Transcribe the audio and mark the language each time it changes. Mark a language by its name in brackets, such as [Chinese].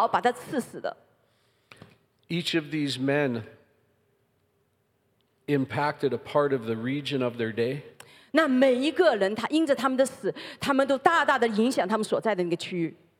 [Chinese] 那在传统上面，他其实一直就是宣教，一直宣到那个印度。然后当时在那个当时的基督徒呢，特别的来敬畏他，是当时就是觉得他就是那个他当时是设立的那一位。他们说他当时死的时候是四个这个就是士兵把那个长矛把他刺死的。 [English] Each of these men impacted a part of the region of their day. [Chinese] 那每一个人，他因着他们的死，他们都大大的影响他们所在的那个区域。